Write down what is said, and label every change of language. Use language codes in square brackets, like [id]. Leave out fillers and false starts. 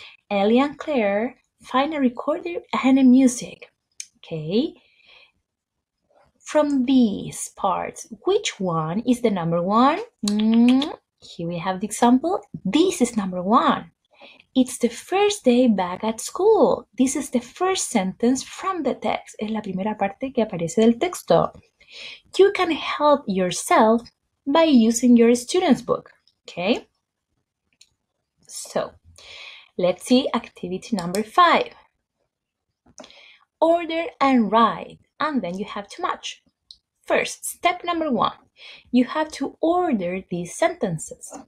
[en] Ellie and Claire find a recorder and a music. Okay. From these parts, which one is the number one? Here we have the example. This is number one. It's the first day back at school. This is the first sentence from the text. [es] Es la primera parte que aparece del texto. [en] You can help yourself by using your student's book. Okay? So, let's see activity number five. Order and write, and then you have to match. First, step number one. You have to order these sentences.